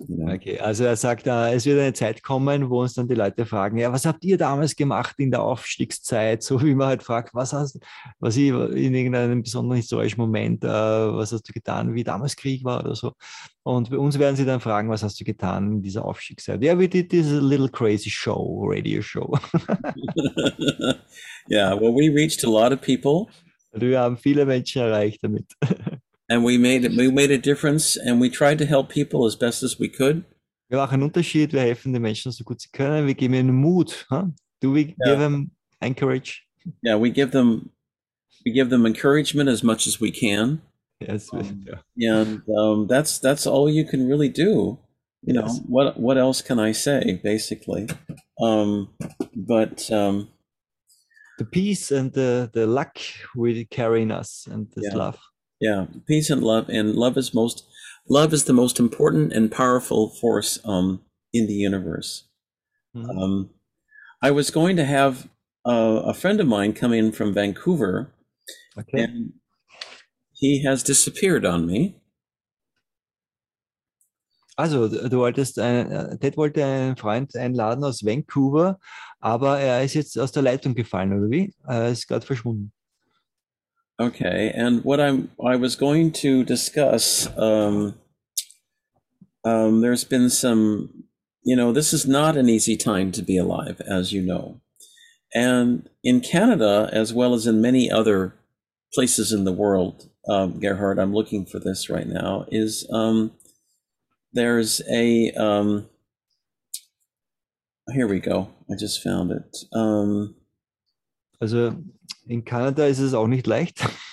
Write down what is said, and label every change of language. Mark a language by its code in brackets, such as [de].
[de] Okay, also er sagt, es wird eine Zeit kommen, wo uns dann die Leute fragen, ja, was habt ihr damals gemacht in der Aufstiegszeit? So wie man halt fragt, was ich in irgendeinem besonderen historischen Moment, was hast du getan, wie damals Krieg war oder so. Und bei uns werden sie dann fragen, was hast du getan in dieser Aufstiegszeit? [en] Ja, we did this little crazy show, radio show. Yeah, well, we reached a lot of people. [de] Wir haben viele Menschen erreicht damit. [en] And we made a difference, and we tried to help people as best as we could. [de] Wir machen einen Unterschied, wir helfen den Menschen so gut sie können, wir geben ihnen Mut. [en] Huh? Do we give them encourage? We give them encouragement as much as we can. Yes, That's all you can really do. You know, yes. what else can I say, basically? The peace and the luck will carry in us and this love. Peace and love is the most important and powerful force in the universe. I was going to have a friend of mine come in from Vancouver, Okay. and he has disappeared on me. [de] Also, Ted wollte einen Freund einladen aus Vancouver, aber er ist jetzt aus der Leitung gefallen, oder wie? Er ist gerade verschwunden. [en] Okay, and what I was going to discuss, there's been some, this is not an easy time to be alive, as you know. And in Canada, as well as in many other places in the world, Gerhard, I'm looking for this right now, is there's a here we go. I just found it. [de] Also in Kanada ist es auch nicht leicht.